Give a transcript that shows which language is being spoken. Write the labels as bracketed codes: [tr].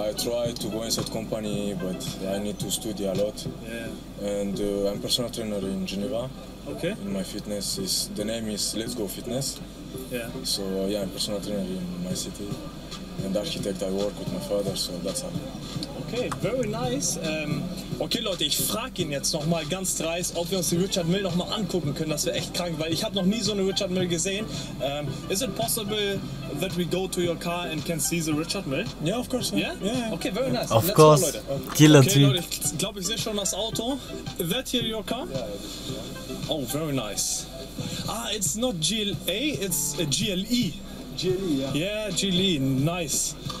[en] I try to go inside company, but I need to study a lot. Yeah. And I'm personal trainer in Geneva. Okay. And my fitness is, the name is Let's Go Fitness. Yeah. So yeah, I'm personal trainer in my city. And architect, I work with my father, so that's all. Okay, very nice. [de] Okay, Leute, ich frage ihn jetzt nochmal ganz dreist, ob wir uns die Richard Mill nochmal angucken können. Das wäre echt krank, weil ich habe noch nie so eine Richard Mill gesehen. [en] Is it possible that we go to your car and can see the Richard Mill? Yeah, of course. Yeah? Yeah. Okay, very nice. Of course. Go, [de] Leute. Okay, Leute, ich glaube, ich sehe schon das Auto. [en] Is that here your car? Yeah. Oh, very nice. Ah, it's not GLA, it's a GLE. [de] GLE, ja. [en] Yeah, GLE, nice.